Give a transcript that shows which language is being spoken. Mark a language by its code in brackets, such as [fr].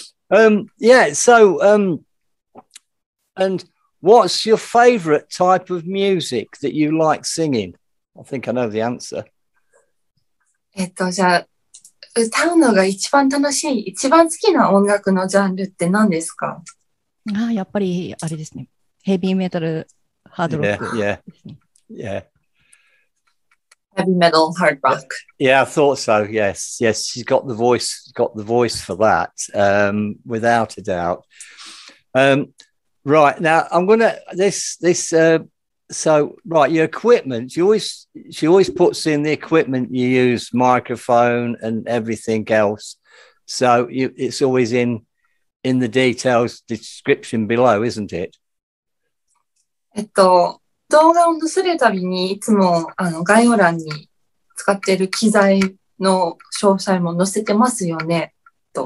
[en] and what's your favorite type of music that you like singing? I think I know the answer. [ja] じゃあ、歌うのが一番楽しい、一番好きな音楽のジャンルって何ですか？あ、やっぱりあれですね。ヘビーメタル、ハードロック。 [en] Heavy metal, hard rock. Yeah, I thought so. Yes, yes, she's got the voice. Got the voice for that, without a doubt. Right now, I'm gonna this. So right, your equipment. She always puts in the equipment you use, microphone and everything else. So it's always in the details description below, isn't it? [ja] 動画を載せるたびにいつもあの概要欄に使っている機材の詳細も載せてますよね、と。